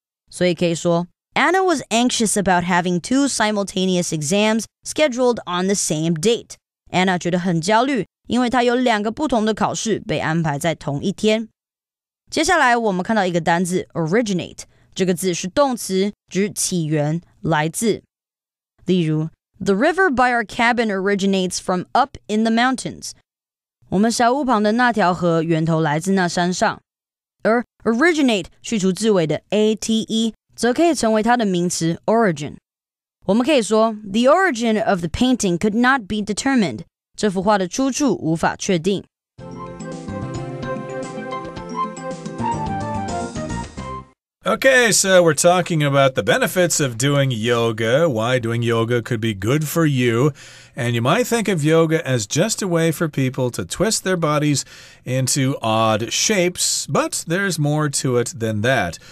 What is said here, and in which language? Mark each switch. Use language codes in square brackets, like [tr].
[zh] 所以可以说, [en] Anna was anxious about having two simultaneous exams scheduled on the same date. [zh] Anna觉得很焦虑，因为她有两个不同的考试被安排在同一天。接下来我们看到一个单字 originate， 这个字是动词，指起源、来自。例如， [en] the river by our cabin originates from up in the mountains. [zh] 我们小屋旁的那条河源头来自那山上。而 originate 去除字尾的 ate， 则可以成为它的名词 origin。我们可以说， [en] the origin of the painting could not be determined. [zh] 这幅画的出处无法确定。 [en] Okay, so we're talking about the benefits of doing yoga, why doing yoga could be good for you. And you might think of yoga as just a way for people to twist their bodies into odd shapes, but there's more to it than that.